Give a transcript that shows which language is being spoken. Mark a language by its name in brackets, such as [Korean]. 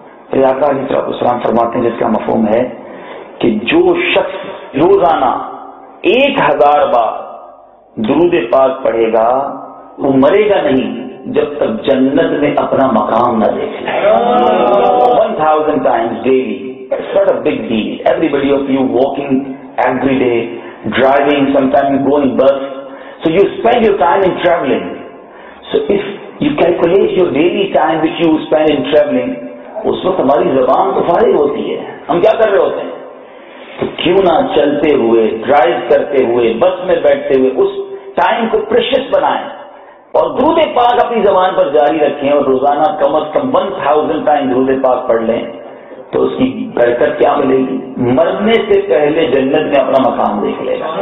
[Urdu] پھر آقا علیہ السلام فرماتے ہیں جس کا مفہوم ہے کہ جو شخص روزانہ 1000 بار درود پاک پڑھے گا وہ مرے گا نہیں جب تک جنت میں اپنا مقام نہ دیکھ لے. [English] 1000 times daily, it's not a big deal. Everybody of you walking every day, driving, sometimes you go in bus, so you spend your time in traveling. So if you calculate your daily time which you spend in traveling, [Urdu] اس وقت ہماری زبان تو فارغ ہوتی ہے, ہم کیا کر رہے ہوتے ہیں؟ تو کیوں نہ چلتے ہوئے, ڈرائیو کرتے ہوئے, بس میں بیٹھتے ہوئے اس ٹائم کو پریشس بنائیں اور درود پاک اپنی زبان پر جاری رکھیں اور روزانہ کم از کم 1000 times درود پاک پڑھ لیں تو اس کی برکت کیا ملے گی؟ مرنے سے پہلے جنت میں اپنا مقام دیکھ لے گا.